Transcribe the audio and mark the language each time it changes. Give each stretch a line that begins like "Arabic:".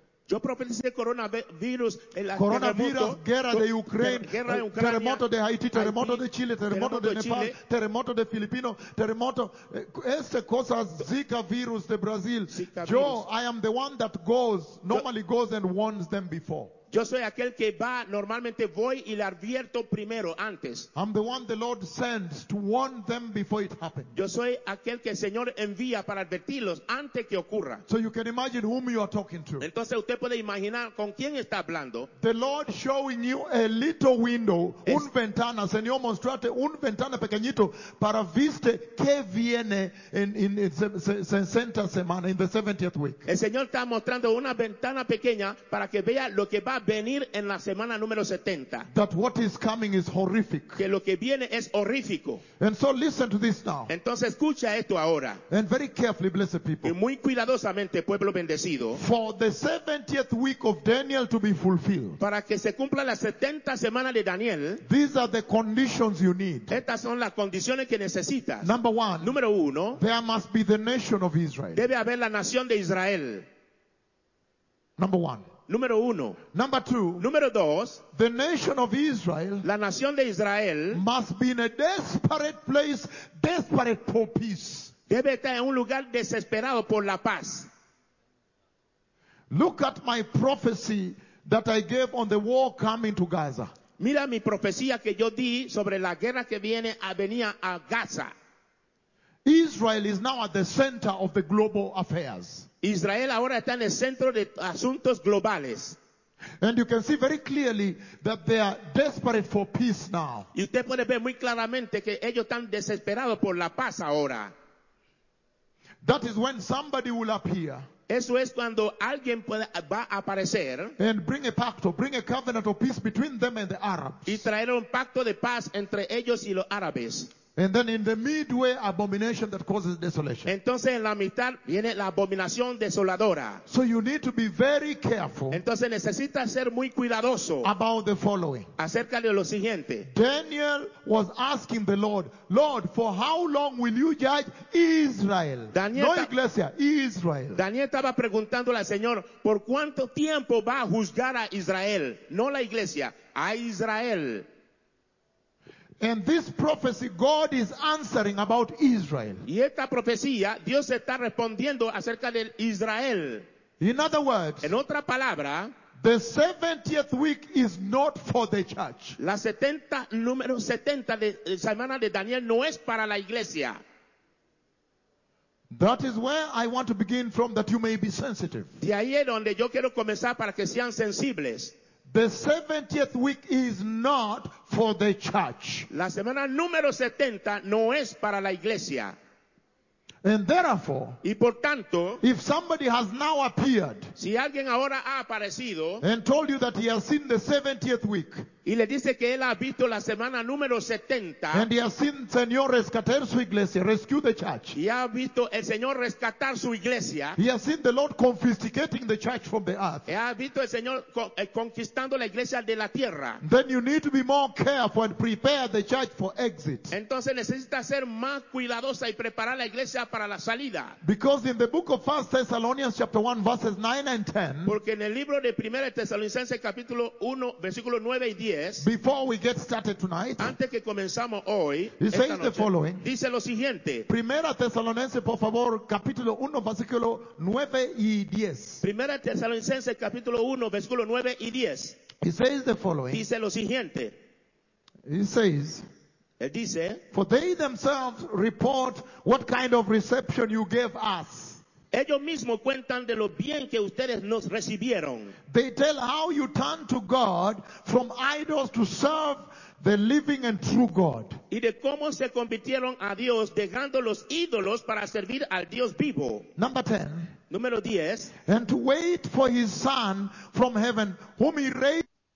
Spanish: Yo profeticé coronavirus en la coronavirus, guerra de Ucrania, terremoto de Haití, terremoto de Chile, terremoto de Nepal, terremoto de Filipino, terremoto. Este cosa Zika virus de Brasil.
English: Yo, I am the one that goes, normally goes and warns them before.
Spanish: Yo soy aquel que va, normalmente voy y le advierto primero, antes.
English: I'm the one the Lord sends to warn them before it happens.
Spanish: Yo soy aquel que el Señor envía para advertirlos antes que ocurra.
English: So you can imagine whom you are talking to.
Spanish: Entonces usted puede imaginar con quién está hablando.
English: The Lord showing you a little window,
Spanish: un ventana, Señor mostrate un ventana pequeñito para viste que viene en 60 semana,
English: in the 70th week.
Spanish: El Señor está mostrando una ventana pequeña para que vea lo que va a venir en la semana número 70.
English: That what is coming is horrific.
Spanish: Que lo que viene es horrífico.
English: And so listen to this now.
Spanish: Entonces escucha esto ahora.
English: And very carefully, blessed people.
Spanish: Y muy cuidadosamente, pueblo bendecido.
English: For the 70th week of Daniel to be fulfilled.
Spanish: Para que se cumpla la 70 semana de Daniel.
English: These are the conditions you need.
Spanish: Estas son las condiciones que necesitas.
English: Number one.
Spanish: Número uno.
English: There must be the nation of Israel.
Spanish: Debe haber la nación de Israel.
English: Number one.
Spanish: Número uno.
English: Number two.
Spanish: Número dos.
English: The nation of Israel.
Spanish: La nación de Israel.
English: Must be in a desperate place, desperate for peace.
Spanish: Debe estar en un lugar desesperado por la paz.
English: Look at my prophecy that I gave on the war coming to Gaza.
Spanish: Mira mi profecía que yo di sobre la guerra que viene a venir a Gaza.
English: Israel is now at the center of the global affairs.
Spanish: Israel ahora está en el centro de asuntos globales.
English: And you can see very clearly that they are desperate for peace now.
Spanish: Y usted puede ver muy claramente que ellos están desesperados por la paz ahora.
English: That is when somebody will appear.
Spanish: Eso es cuando alguien va a aparecer.
English: And bring a pact or bring a covenant of peace between them and the Arabs.
Spanish: Y traer un pacto de paz entre ellos y los árabes.
English: And then in the midway, abomination that causes desolation.
Spanish: Entonces en la mitad viene la abominación desoladora.
English: So you need to be very careful.
Spanish: Entonces necesitas ser muy cuidadoso.
English: About the following.
Spanish: Acerca de lo siguiente.
English: Daniel was asking the Lord, Lord, for how long will you judge Israel?
Spanish: Daniel, no iglesia, Israel. Daniel estaba preguntándole al Señor, ¿por cuánto tiempo va a juzgar a Israel? No la iglesia, a Israel.
English: And this prophecy God is answering about Israel.
Spanish: Y esta profecía Dios está respondiendo acerca de Israel.
English: In other words,
Spanish: en otra palabra,
English: the 70th week is not for the church.
Spanish: La 70 número 70 de semana de Daniel no es para la iglesia.
English: That is where I want to begin from, that you may be sensitive.
Spanish: De ahí es donde yo quiero comenzar para que sean sensibles.
English: The 70th week is not for the church.
Spanish: La semana número 70 no es para la iglesia.
English: And therefore,
Spanish: y por tanto,
English: if somebody has now appeared,
Spanish: si alguien ahora ha aparecido,
English: and told you that he has seen the 70th week,
Spanish: y le dice que él ha visto la semana número 70,
English: and he has seen
Spanish: Señor rescatar su iglesia,
English: rescue the church,
Spanish: y ha visto el Señor rescatar su iglesia,
English: he has seen the Lord confiscating the church from the earth,
Spanish: y ha visto el Señor conquistando la iglesia de la tierra,
English: then you need to be more careful and prepare the church for exit.
Spanish: Entonces necesita ser más cuidadosa y preparar la iglesia para la salida.
English: Because in the book of 1 Thessalonians chapter 1 verses 9 and 10.
Spanish: Porque en el libro de 1 Tesalonicenses capítulo 1 versículo 9 y 10.
English: Before we get started tonight.
Spanish: Antes que comenzamos hoy.
English: He says the following.
Spanish: Dice lo siguiente. 1 Tesalonicenses por favor capítulo 1 versículo 9 y 10. 1 Tesalonicenses capítulo 1 versículo 9 y 10.
English: He says the following.
Spanish: Dice lo siguiente.
English: He says.
Spanish: Dice,
English: for they themselves report what kind of reception you gave us.
Spanish: Ellos mismos cuentan de lo bien que ustedes nos recibieron.
English: They tell how you turned to God from idols to serve the living and true God.
Spanish: Y de cómo se convirtieron a Dios dejando los ídolos para servir al Dios vivo.
English: Number 10.
Spanish: Número 10.
English: And to wait for his son from heaven whom he raised.